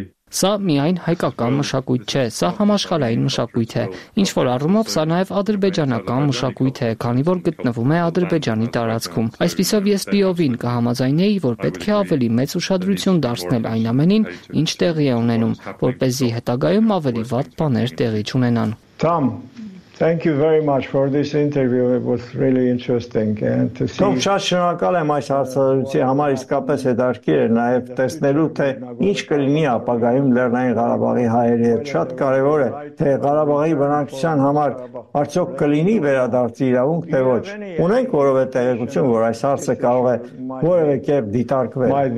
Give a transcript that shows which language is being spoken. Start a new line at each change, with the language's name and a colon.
Armenian: Սա միայն հայկական մշակույթ չէ, սա համաշխարհային մշակույթ է։ Ինչ որ առումով սա նաև ադրբեջանական մշակույթ է, քանի որ գտնվում է Ադրբեջանի տարածքում։ Այսպիսով ես լիովին կհամաձայնեի, որ պետք է ավելի մեծ ուշադրություն դարձնել այն ամենին, ինչ տեղի է ունենում, որպեսզի հետագայում ավելի վատ բաներ տեղի չունենան։
English: Tom, thank you very much for this interview. It was really interesting and to see.
Armenian: Տոմ, շատ շնորհակալ եմ այս հարցազրույցի համար, իսկապես հետաքրքիր է նաև տեսնելու, թե ինչ կլինի ապագայում Լեռնային Ղարաբաղի հայերի հետ։ Շատ կարևոր է, թե Ղարաբաղի բնակչության համար արդյոք կլինի վերադարձի իրավունք, թե ոչ։ Ունենք որևէ տեղեկություն, որ այս հարցը կարող է որևէ կերպ դիտարկվել։